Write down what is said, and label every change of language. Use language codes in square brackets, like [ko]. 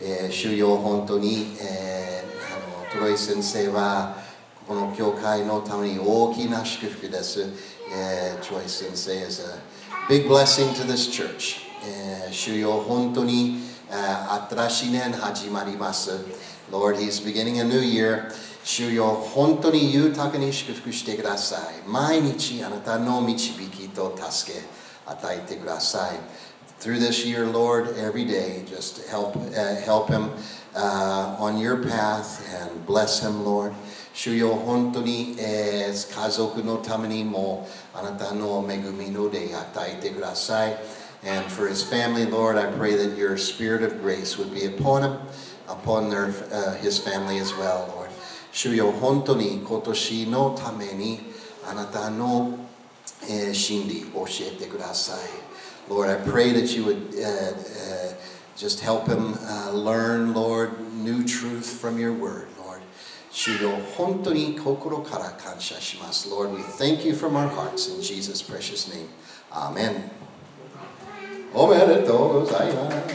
[ja] 主よ、本当に、トロイ先生はこの教会のために大きな祝福です。 [en] Troy Sensei is a big blessing to this church. [ja] 主よ本当に新しい年始まります。 [en] Lord, he's beginning a new year. [ja] 主よ本当に豊かに祝福してください。毎日あなたの導きと助け与えてください。 [en] Through this year, Lord, every day, just help him on your path and bless him, Lord. [ja] 主よ本当に、家族のためにもあなたの恵みので与えてください。 [en] And for his family, Lord, I pray that your spirit of grace would be upon him, upon their, his family as well, Lord. [ja] 主よ本当に今年のためにあなたの、真理を教えてください。 [en] Lord, I pray that you would just help him learn, Lord, new truth from your word. [ja] 主よ本当に心から感謝します。 [en] Lord, we thank you from our hearts in Jesus' precious name. Amen. [ja] おめでとうございます。